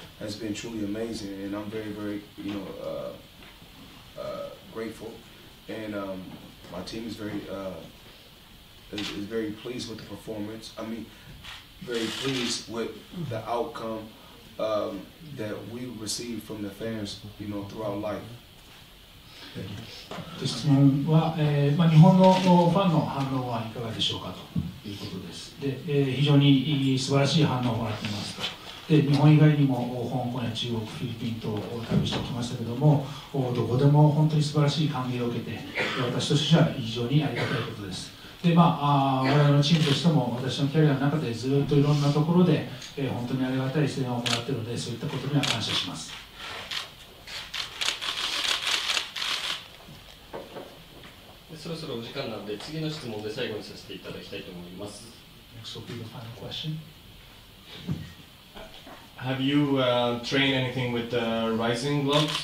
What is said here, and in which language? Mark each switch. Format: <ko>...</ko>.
<en>Has been truly amazing, and I'm very, very, you know, grateful. And my team is very, is very pleased with the performance. I mean, very pleased with the outcome that we received from the fans, you know, throughout life.</en> <ja>質問は、まあ、日本のファンの反応はいかがでしょうかということです。で、非常に素晴らしい反応をもらっていますと。で、日本以外にも香港や中国、フィリピンと旅してきましたけども、どこでも本当に素晴らしい歓迎を受けて、私としては非常にありがたいことです。で、まあ、我々のチームとしても、私のキャリアの中でずっといろんなところで、本当にありがたい声援をもらっているので、そういったことには感謝します。でそろそろお時間なので、次の質問で最後にさせていただきたいと思います。</ja> <en>Next will be the final question. Have you trained anything with the rising gloves?</en>